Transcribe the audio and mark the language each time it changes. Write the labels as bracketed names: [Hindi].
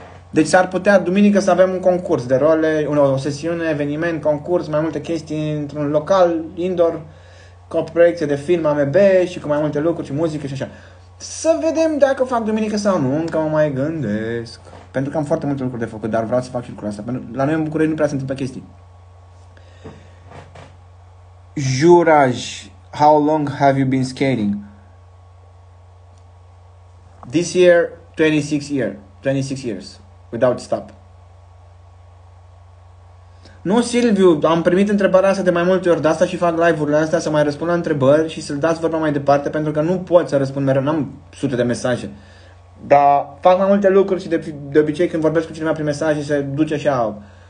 [Romanian] Deci s-ar putea duminică să avem un concurs de role, o sesiune, eveniment, concurs, mai multe chestii într-un local indoor, cu o proiecție de film AMB și cu mai multe lucruri și muzică și așa. Să vedem dacă fac duminică sau nu, încă mă mai gândesc. Pentru că am foarte multe lucruri de făcut, dar vreau să fac și lucrurile astea. Pentru la noi în București nu prea se întâmplă chestii. [English] Juraj, how long have you been skating? This year, 26 years, without stop. [Romanian] Nu, Silviu, am primit întrebarea asta de mai multe ori, de asta și fac live-urile astea, să mai răspund la întrebări și să-l dați vorba mai departe, pentru că nu pot să răspund mereu, n-am sute de mesaje. Dar fac mai multe lucruri și de obicei când vorbesc cu cineva prin mesaje se duce așa